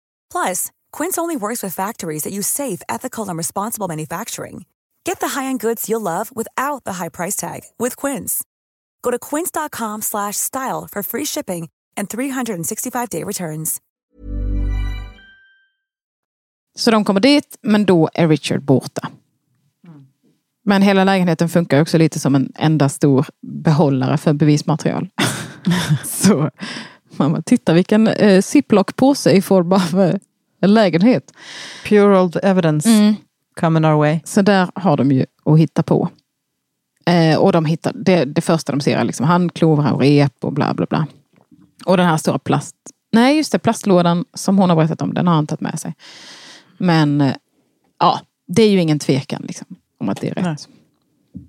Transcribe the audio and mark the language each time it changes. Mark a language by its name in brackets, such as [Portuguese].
[English] Plus, Quince only works with factories that use safe, ethical, and responsible manufacturing. Get the high-end goods you'll love without the high price tag with Quince. Go to quince.com/style for free shipping and 365-day returns. [Swedish] Så de kommer dit, men då är Richard borta. Mm. Men hela lägenheten funkar också lite som en enda stor behållare för bevismaterial. Så mamma, titta vilken ziplockpåse i form av lägenhet. [English] Pure old evidence coming our way. [Swedish] Så där har de ju att hitta på. Och de hittar, det första de ser är liksom handklovar och rep och bla bla bla. Och den här stora plastlådan som hon har berättat om, den har han tagit med sig. Men ja, det är ju ingen tvekan liksom, om att det är rätt. Nej.